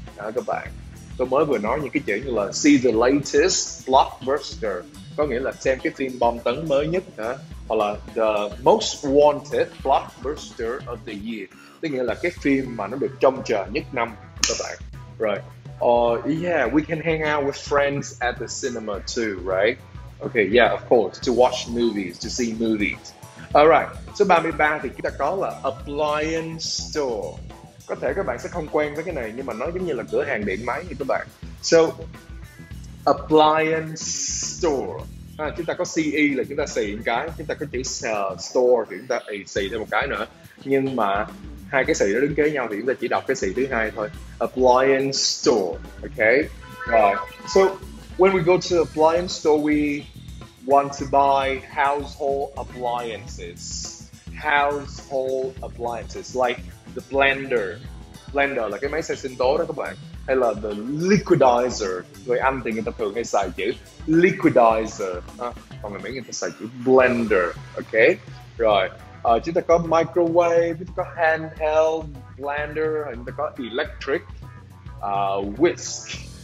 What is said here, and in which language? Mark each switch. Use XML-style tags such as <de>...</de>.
<vi>Đó các bạn, tôi mới vừa nói những cái chữ như là</vi> <en>see the latest blockbuster,</en> <vi>có nghĩa là xem cái phim bom tấn mới nhất hả? Hoặc là</vi> <en>the most wanted blockbuster of the year,</en> <vi>tức nghĩa là cái phim mà nó được trông chờ nhất năm các bạn.</vi> <en>Right. Yeah, we can hang out with friends at the cinema too, right? Okay, yeah, of course, to watch movies, to see movies.</en> <vi>Alright, số 33 thì chúng ta có là appliance store. Có thể các bạn sẽ không quen với cái này, nhưng mà nó giống như là cửa hàng điện máy như các bạn.</vi> <en>So, appliance store.</en> <vi>À, chúng ta có CE là chúng ta xì một cái, chúng ta có chữ store thì chúng ta xì thêm một cái nữa. Nhưng mà hai cái xì nó đứng kế nhau thì chúng ta chỉ đọc cái xì thứ hai thôi.</vi> <en>Appliance store, okay? Right. So, when we go to the appliance store, we want to buy household appliances. Household appliances, like the blender.</en> <vi>Blender là cái máy xay sinh tố đó các bạn. Hay là the liquidizer. Người Anh thì người ta thường hay xài chữ liquidizer. Còn người Mỹ người ta xài chữ blender, okay? Right. Chúng ta có microwave, chúng ta có handheld blender, chúng ta có electric whisk.</vi>